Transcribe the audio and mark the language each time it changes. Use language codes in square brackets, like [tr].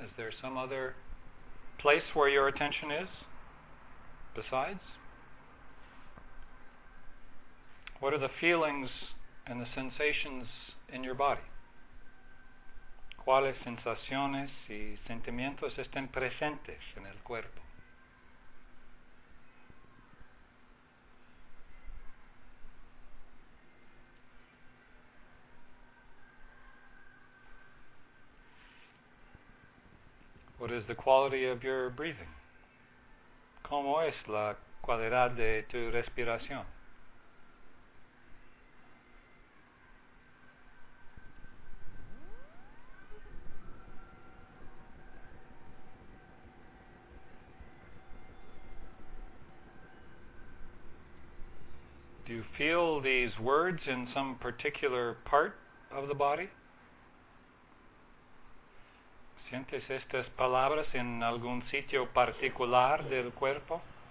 [en] Is there some other place where your attention is besides? What are the feelings and the sensations in your body? [es] ¿Cuáles sensaciones y sentimientos están presentes en el cuerpo? [en] What is the quality of your breathing? [es] ¿Cómo es la calidad de tu respiración? [en] Do you feel these words in some particular part of the body? [es] ¿Sientes estas palabras en algún sitio particular del cuerpo?